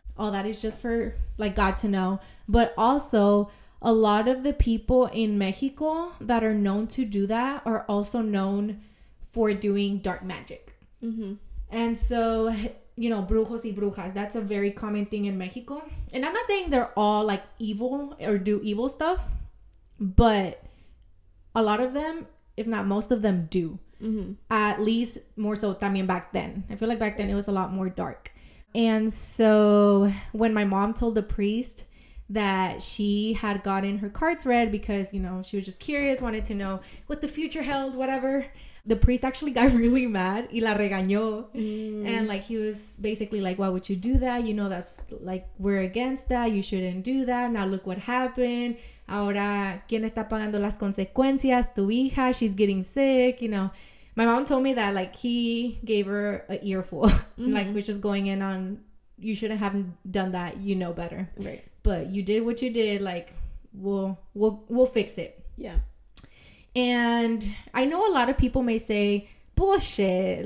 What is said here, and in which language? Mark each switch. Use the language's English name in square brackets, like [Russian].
[English] All that is just for like God to know. But also, a lot of the people in Mexico that are known to do that are also known for doing dark magic. Mm-hmm. And so, you know, [Spanish] brujos y brujas, [English] that's a very common thing in Mexico. And I'm not saying they're all like evil or do evil stuff, but a lot of them, if not most of them, do. Mm-hmm. At least more so también back then. I feel like back then it was a lot more dark. And so when my mom told the priest that she had gotten her cards read because, you know, she was just curious, wanted to know what the future held, whatever, the priest actually got really mad. [Spanish] Y la regañó. [English] Mm. And, like, he was basically like, why would you do that? You know, that's, like, we're against that. You shouldn't do that. Now look what happened. [Spanish] Ahora, ¿quién está pagando las consecuencias? Tu hija, [English] she's getting sick, you know. My mom told me that, like, he gave her an earful. Mm-hmm. Like, was just going in on, you shouldn't have done that. You know better. Right. But you did what you did. Like, we'll fix it. Yeah. And I know a lot of people may say, bullshit.